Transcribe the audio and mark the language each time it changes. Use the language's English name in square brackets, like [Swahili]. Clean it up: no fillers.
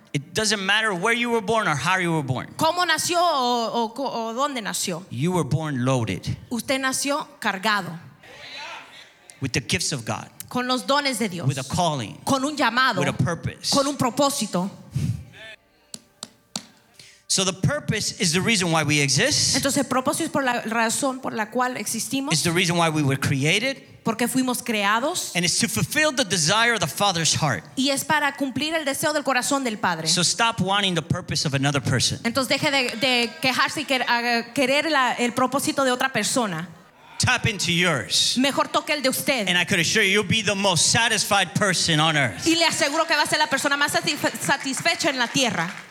[English] It doesn't matter where you were born or how you were born. [Spanish] ¿Cómo nació o dónde nació? [English] You were born loaded. [Spanish] Usted nació cargado. [English] With the gifts of God. [Spanish] Con los dones de Dios. [English] With a calling. [Spanish] Con un llamado. [English] With a purpose. [Spanish] Con un propósito. [English] So the purpose is the reason why we exist. [Spanish] Entonces, el propósito es por la razón por la cual existimos. [English] It's the reason why we were created. [Spanish] Porque fuimos creados. [English] And it's to fulfill the desire of the Father's heart. [Spanish] Y es para cumplir el deseo del corazón del Padre. [English] So stop wanting the purpose of another person. [Spanish] Entonces, deje de quejarse y querer el propósito de otra persona. [English] Tap into yours. [Spanish] Mejor toque el de usted. [English] And I could assure you, you'll be the most satisfied person on earth. [Spanish] Y le aseguro que va a ser la persona más satisfecha en la tierra.